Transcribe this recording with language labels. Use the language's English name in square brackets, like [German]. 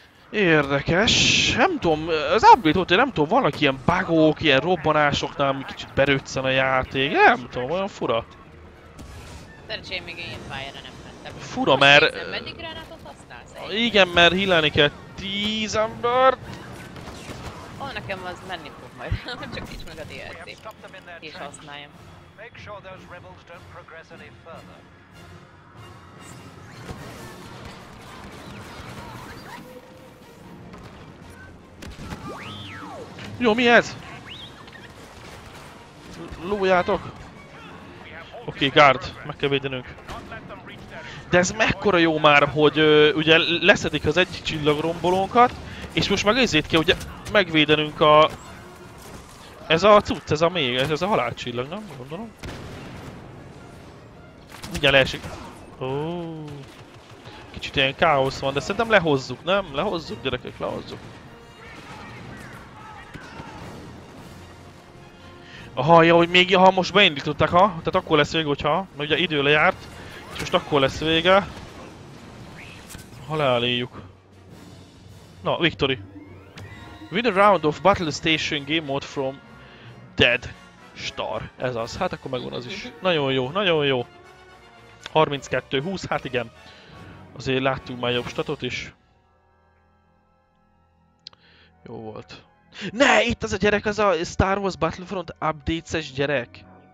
[Hungarian] Érdekes, nem tudom, az update óta, nem tudom, vannak ilyen bugok, ilyen robbanásoknál, ami kicsit berőtszen a játék, nem tudom, olyan fura. Szerencsém még én fire-re nem mentem. Fura, mert... Mennyi gránátot használsz? Igen, mert healálni kell 10 embert. Ó, nekem az menni fog majd, csak így meg a DLC-t, és használjam. [English] Make sure those rebels don't progress any further. [Hungarian] Jó, mi ez? Lújátok! Oké, okay, guard, meg kell védenünk. De ez mekkora jó már, hogy ugye leszedik az egyik csillagrombolónkat, és most meg ezért kell ugye megvédenünk a... Ez a cucc, ez a még, ez a halálcsillag, nem? Gondolom. Mindjárt leesik. Kicsit ilyen káosz van, de szerintem lehozzuk, nem? Lehozzuk, gyerekek, lehozzuk. Aha, ja, hogy még, ha most beindították, ha? Tehát akkor lesz vége, hogyha, mert ugye idő lejárt, és most akkor lesz vége, ha leálljuk. Na, victory. [English] Win a round of Battle Station game mode from Dead Star. [Hungarian] Ez az, hát akkor megvan az is. Nagyon jó, nagyon jó. 32-20, hát igen. Azért láttunk már jobb statot is. Jó volt. Ne! Itt az a gyerek, az a Star Wars Battlefront Updates-es gyerek.